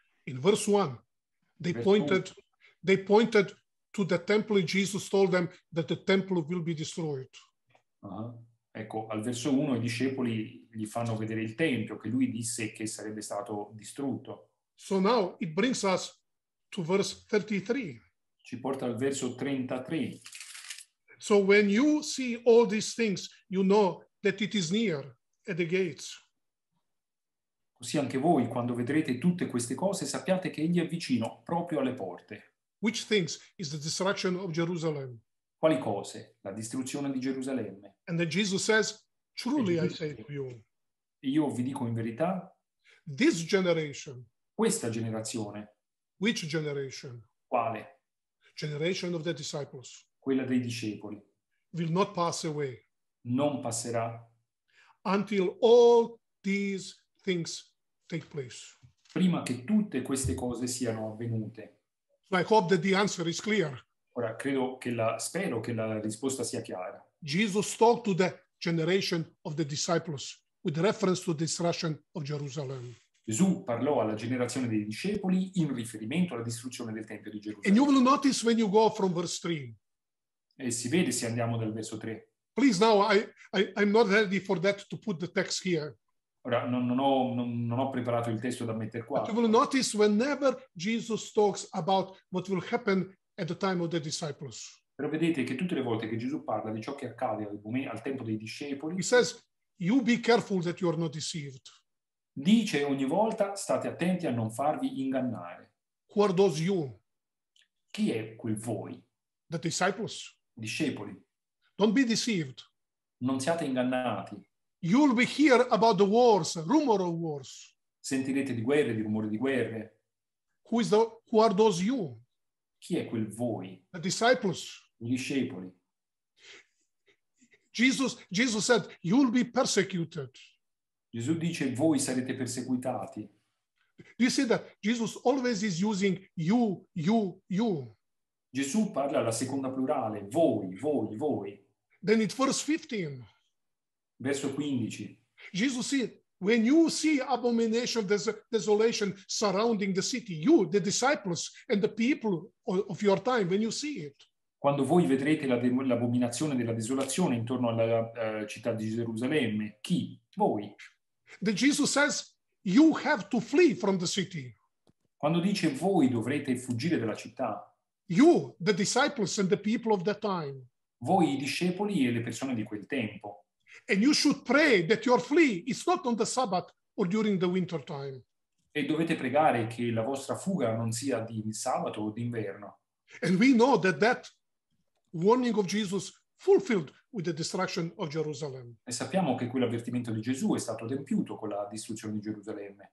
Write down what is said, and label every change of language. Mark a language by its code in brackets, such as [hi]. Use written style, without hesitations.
[en] In verse 1, they pointed to the temple and Jesus told them that the temple will be destroyed. Uh-huh. [it] Ecco, al verso 1 i discepoli gli fanno vedere il tempio che lui disse che sarebbe stato distrutto. [en] So now it brings us to verse 33. [it] Ci porta al verso 33. [en] So when you see all these things, you know that it is near at the gates. [it] Così anche voi, quando vedrete tutte queste cose, sappiate che egli è vicino, proprio alle porte. [en] Which things is the destruction of Jerusalem? [it] Quali cose? La distruzione di Gerusalemme. [en] And then Jesus says, truly I say to you. [it] Io vi dico in verità. [en] This generation. [it] Questa generazione. [en] Which generation? [it] Quale? [en] Generation of the disciples. [it] Quella dei discepoli. [en] Will not pass away. [it] Non passerà. [en] Until all these things take place. [it] Prima che tutte queste cose siano avvenute. [en] I hope that the answer is clear. [it] Ora credo che la spero che la risposta sia chiara. [en] Jesus talked to the generation of the disciples with reference to the destruction of Jerusalem. [it] Gesù parlò alla generazione dei discepoli in riferimento alla distruzione del Tempio di Gerusalemme. [en] And you will notice when you go from verse 3. [it] E si vede se andiamo dal verso 3. [en] Please now, I'm not ready for that to put the text here. [it] Ora, non ho preparato il testo da mettere qua. [en] But you will notice whenever Jesus talks about what will happen at the time of the disciples. [it] Però vedete che tutte le volte che Gesù parla di ciò che accade al tempo dei discepoli. [en] He says, you be careful that you are not deceived. [it] Dice ogni volta, state attenti a non farvi ingannare. [en] Who are those you? [it] Chi è quel voi? [en] The disciples. [it] Discepoli. [en] Don't be deceived. [it] Non siate ingannati. [en] You'll be hear about the wars, rumor of wars. [it] Sentirete di guerre, di rumori di guerre. [en] Who are those you? [it] Chi è quel voi? [en] The disciples. [it] I discepoli. [en] Jesus said, you'll be persecuted. [it] Gesù dice, voi sarete perseguitati. [en] Do you see that? Jesus always is using you, you, you. [it] Gesù parla alla seconda plurale, voi, voi, voi. [en] Then it verse 15. [it] Verso 15. [en] Jesus said, when you see abomination, desolation surrounding the city, you, the disciples and the people of your time, when you see it. [it] Quando voi vedrete l'abominazione della desolazione intorno alla città di Gerusalemme, chi? Voi. [en] The Jesus says, you have to flee from the city. [it] Quando dice voi dovrete fuggire dalla città. [en] You, the disciples and the people of that time. [it] Voi, i discepoli e le persone di quel tempo. [en] And you should pray that you are flee. It's not on the Sabbath or during the winter time. [it] E dovete pregare che la vostra fuga non sia di sabato o d'inverno. [en] And we know that that warning of Jesus fulfilled with the destruction of Jerusalem. [it] E sappiamo che quell'avvertimento di Gesù è stato adempiuto con la distruzione di Gerusalemme.